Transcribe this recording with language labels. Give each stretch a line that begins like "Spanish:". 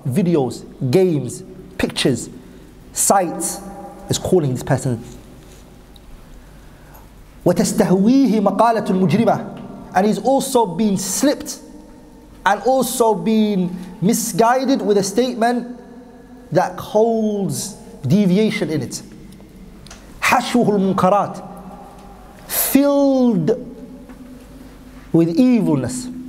English: Videos, games, pictures, sites, is calling this person.
Arabic: وتستهويه مقالة المجرمة.
English: And he's also been slipped and also been misguided with a statement that holds deviation in it.
Arabic: حشوه المنكرات,
English: filled with evilness.